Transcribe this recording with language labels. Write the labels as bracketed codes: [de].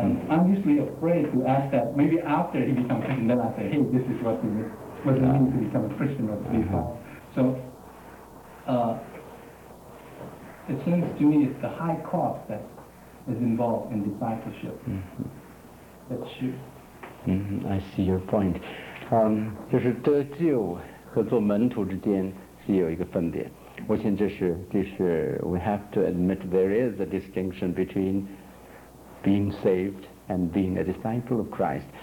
[en] I'm usually afraid to ask that maybe after he becomes Christian, then I say, hey, this is what it means to become a Christian or a disciple. So, it seems to me it's the high cost that is involved in discipleship. That's true. I see your point. [zh] 就是得救和做门徒之间是有一个分别。我想这是 [en] we have to admit there is a distinction between being saved and being a disciple of Christ.